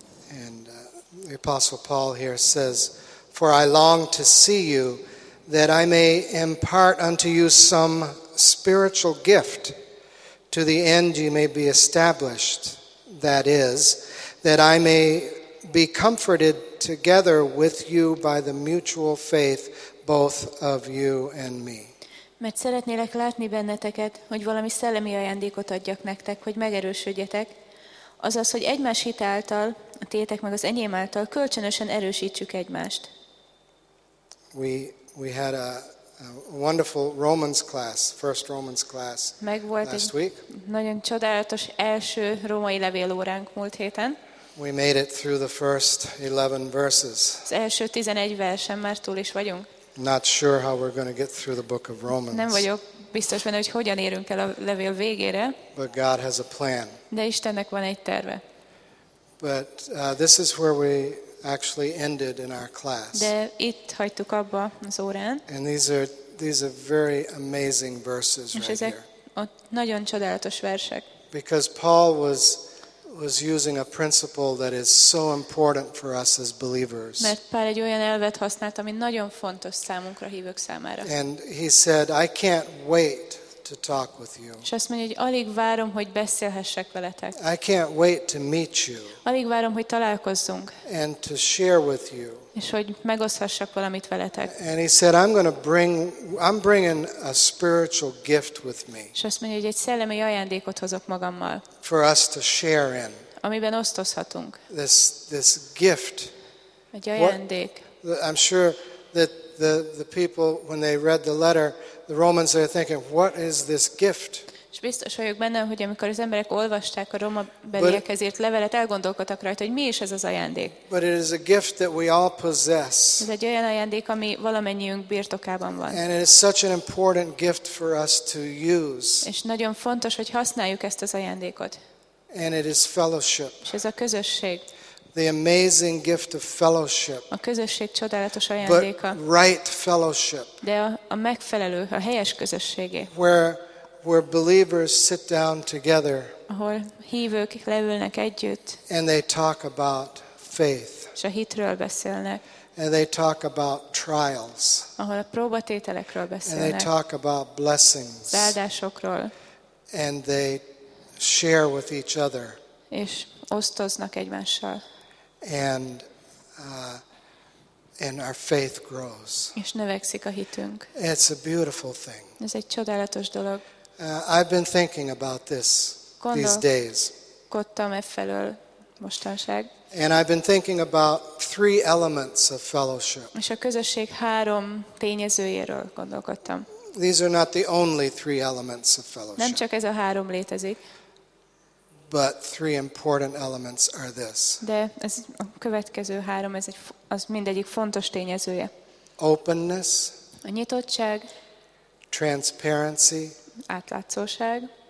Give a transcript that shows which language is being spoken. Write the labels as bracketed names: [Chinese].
[English] And the Apostle Paul here says, for I long to see you, that I may impart unto you some spiritual gift, to the end you may be established, that is, that I may be comforted together with you by the mutual faith, both of you and me. [Hungarian] Mert szeretnélek látni benneteket, hogy valami szellemi ajándékot adjak nektek, hogy megerősödjetek. Azaz, hogy egymás hit által, a tétek meg az enyém által kölcsönösen erősítsük egymást. [English] We had a wonderful Romans class, first Romans class last week. [Hungarian] Megvolt egy nagyon csodálatos első római levél óránk múlt héten. [English] We made it through the first 11 verses. [Hungarian] Az első 11 versen már túl is vagyunk. [English] Not sure how we're going to get through the book of Romans. [Hungarian] Nem vagyok biztos benne, hogy hogyan érünk el a levél végére. [English] But God has a plan. [Hungarian] De Istennek van egy terve. [English] But this is where we actually ended in our class. [Hungarian] De itt hagytuk abba az órán. [English] And these are very amazing verses right here. [Hungarian] És ezek nagyon csodálatos versek. [English] Because Paul was using a principle that is so important for us as believers. [Hungarian] Mert Pál egy olyan elvet használt, ami nagyon fontos számunkra, hívők számára. [English] And he said, I can't wait to talk with you. [Hungarian] És azt mondja, hogy alig várom, hogy beszélhessek veletek. [English] I can't wait to meet you. [Hungarian] Alig várom, hogy találkozzunk. [English] And to share with you. [Hungarian] És hogy megoszthassak valamit veletek. [English] And he said, I'm bringing a spiritual gift with me. [Hungarian] És azt mondja, hogy egy szellemi ajándékot hozok magammal. [English] For us to share in. [Hungarian] Amiben osztozhatunk. [English] This gift. [Hungarian] Egy ajándék. [English] I'm sure that the people, when they read the letter, the Romans are thinking, what is this gift? [Hungarian] És biztos vagyok benne, hogy amikor az emberek olvasták a Róma beliekhez írt levelet, elgondolkodtak rajta, hogy mi is ez az ajándék. [English] But it is a gift that we all possess. [Hungarian] Ez egy olyan ajándék, ami valamennyiünk birtokában van. [English] And it is such an important gift for us to use. [Hungarian] És nagyon fontos, hogy használjuk ezt az ajándékot. [English] And it is fellowship. [Hungarian] És ez a közösség. [English] The amazing gift of fellowship. [Hungarian] A közösség csodálatos ajándéka. [English] But right fellowship. [Hungarian] De a megfelelő, a helyes közösségé. [English] Where believers sit down together. [Hungarian] Ahol hívők leülnek együtt. [English] And they talk about faith. [Hungarian] És a hitről beszélnek. [English] And they talk about trials. [Hungarian] Ahol a próbatételekről beszélnek. [English] And they talk about blessings. [Hungarian] Áldásokról. [English] And they share with each other. [Hungarian] És osztoznak egymással. [English] And our faith grows. [Hungarian] És növekszik a hitünk. [English] It's a beautiful thing. [Hungarian] Ez egy csodálatos dolog. [English] I've been thinking about this these days. [Hungarian] Gondolkodtam e felől mostanság. [English] And I've been thinking about three elements of fellowship. [Hungarian] És a közösség három tényezőjéről gondolkodtam. [English] These are not the only three elements of fellowship. [Hungarian] Nem csak ez a három létezik. [English] But three important elements are this. [Hungarian] De ez a következő három, ez egy, az mindegyik fontos tényezője. [English] Openness. [Hungarian] A nyitottság. [English] Transparency. [Hungarian] átlátszóság.